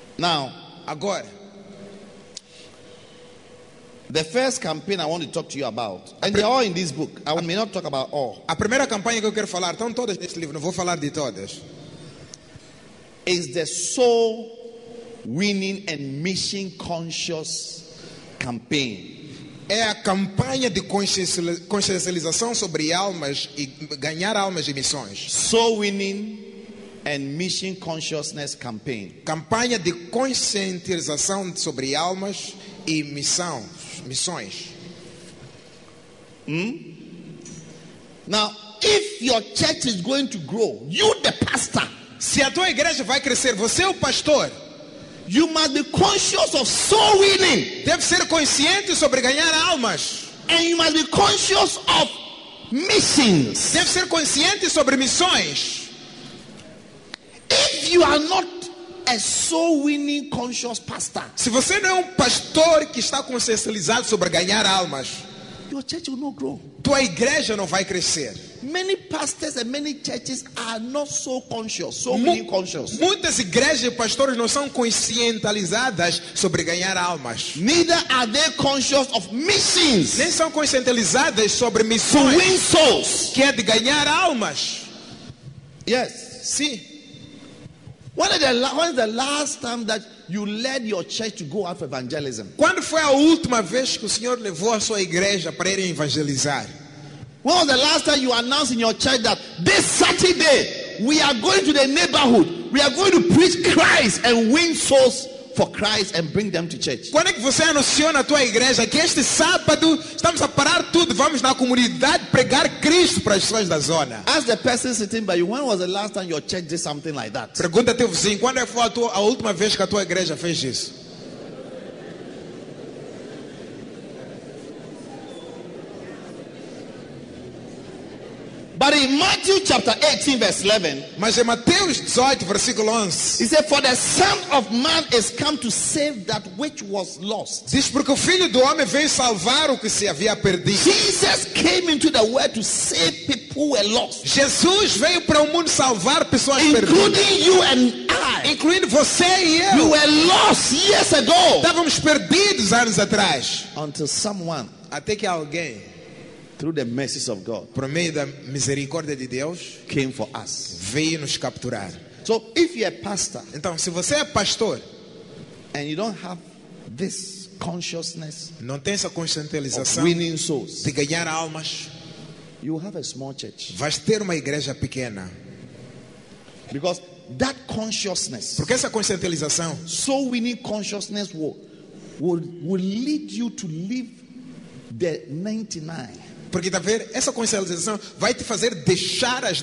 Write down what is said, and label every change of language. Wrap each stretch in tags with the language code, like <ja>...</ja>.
<en>Now, Agoe, the first campaign I want to talk to you about, and they're all in this book. I may not talk about all.</en> <pt>A primeira campanha que eu quero falar, estão todas neste livro, não vou falar de todas.</pt> <en>Is the soul winning and mission conscious campaign.</en> <pt>É a campanha de consciencialização sobre almas e ganhar almas e missões.</pt> <en>Soul winning and mission consciousness campaign.</en> <pt>Campanha de conscientização sobre almas e missões.</pt> <en>Now, if your church is going to grow, you the pastor.</en> <pt>Se a tua igreja vai crescer, você é o pastor.</pt> <en>You must be conscious of soul winning.</en> <pt>Deve ser consciente sobre ganhar almas.</pt> <en>And you must be conscious of missions.</en> <pt>Deve ser consciente sobre missões.</pt> <en>If you are not a soul winning conscious pastor,</en> <pt>se você não é pastor que está consciencializado sobre ganhar almas,</pt> <en>your church will not grow.</en> <pt>Tua igreja não vai crescer.</pt> <en>Many pastors and many churches are not so conscious, so many conscious.</en> <pt>Muitas igrejas e pastores não são conscientizadas sobre ganhar almas.</pt> <en>Neither are they conscious of missions.</en> <pt>Nem são conscientizadas sobre missões.</pt> <en>To win souls.</en> <pt>Que é de ganhar almas.</pt> <en>Yes.</en> <pt>Sim.</pt> <en>When is the last time that you led your church to go out for evangelism?</en> <pt>Quando foi a última vez que o Senhor levou a sua igreja para ir evangelizar?</pt> <en>When was the last time you announced in your church that this Saturday we are going to the neighborhood, we are going to preach Christ and win souls for Christ and bring them to church?</en> <pt>Quando é que você anunciou na tua igreja que este sábado estamos a parar tudo, vamos na comunidade pregar Cristo para as pessoas da zona?</pt> <en>Ask the person sitting by you, when was the last time your church did something like that?</en> <pt>Pergunta teu vizinho, quando foi a última vez que a tua igreja fez isso?</pt> <en>But in Matthew chapter 18 verse 11,</en> <pt>mas em Mateus 18 versículo 11,</pt> <en>he said, "For the Son of Man is come to save that which was lost."</en> <pt>Diz porque o Filho do Homem veio salvar o que se havia perdido.</pt> <en>Jesus came into the world to save people who were lost.</en> <pt>Jesus veio para o mundo salvar pessoas</pt> <en>including</en> <pt>perdidas.</pt> <en>Including you and I.</en> <pt>Incluindo você e eu.</pt> <en>You were lost years ago.</en> <pt>Estávamos perdidos anos atrás.</pt> <en>Until someone.</en> <pt>Até que alguém.</pt> <en>Through the mercies of God,</en> <pt>por meio da misericórdia de Deus,</pt> <en>came for us,</en> <pt>veio nos capturar.</pt> <en>So, if you're a pastor,</en> <pt>então se você é pastor,</pt> <en>and you don't have this consciousness,</en> <pt>não tem essa conscientização</pt> <en>of winning souls,</en> <pt>de ganhar almas,</pt> <en>you have a small church.</en> <pt>Vais ter uma igreja pequena.</pt> <en>Because that consciousness,</en> <pt>porque essa conscientização,</pt> <en>so winning consciousness will lead you to leave the 99.</en> <pt>Porque está a ver, essa conscientização vai te fazer deixar as</pt>